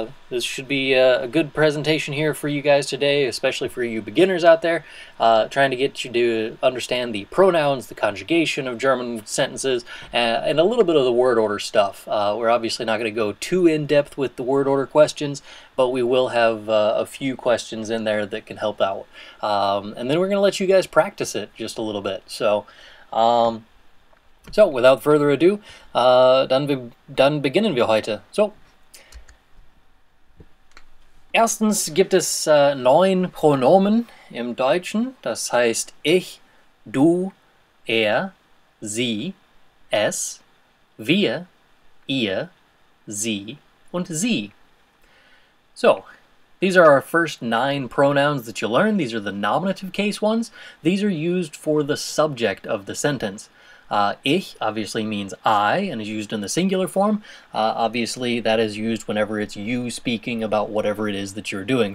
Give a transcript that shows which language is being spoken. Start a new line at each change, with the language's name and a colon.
English: This should be a good presentation here for you guys today, especially for you beginners out there, trying to get you to understand the pronouns, the conjugation of German sentences, and a little bit of the word order stuff. We're obviously not going to go too in-depth with the word order questions, but we will have a few questions in there that can help out. And then we're going to let you guys practice it just a little bit. So without further ado,
German: dann beginnen wir heute. So, erstens gibt es neun Pronomen im Deutschen, das heißt ich, du, er, sie, es, wir, ihr, sie und sie.
English: So, these are our first nine pronouns that you learn. These are the nominative case ones. These are used for the subject of the sentence. Ich obviously means I and is used in the singular form. Obviously, that is used whenever it's you speaking about whatever it is that you're doing.